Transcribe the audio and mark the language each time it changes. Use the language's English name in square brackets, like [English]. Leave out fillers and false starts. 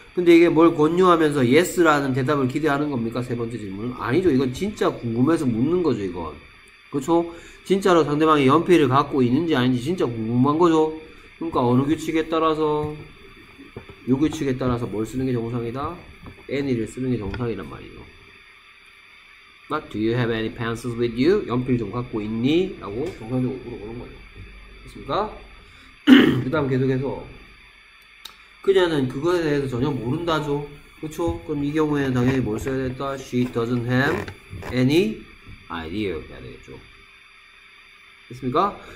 [Korean] 근데 이게 뭘 권유하면서 yes라는 대답을 기대하는 겁니까? 세 번째 질문은 아니죠. 이건 진짜 궁금해서 묻는 거죠, 이건. 그렇죠? 진짜로 상대방이 연필을 갖고 있는지 아닌지 진짜 궁금한 거죠. 그러니까 어느 규칙에 따라서 요 규칙에 따라서 뭘 쓰는 게 정상이다? any를 쓰는 게 정상이란 말이죠. [English] But do you have any pencils with you? [Korean] 연필 좀 갖고 있니? 라고 정상적으로 물어보는 거죠. 됐습니까? 그다음 계속해서 그녀는 그거에 대해서 전혀 모른다죠. 그렇죠? 그럼 이 경우에는 당연히 뭘 써야 됐다? [English] She doesn't have any idea [Korean] 해야 되겠죠. 됐습니까?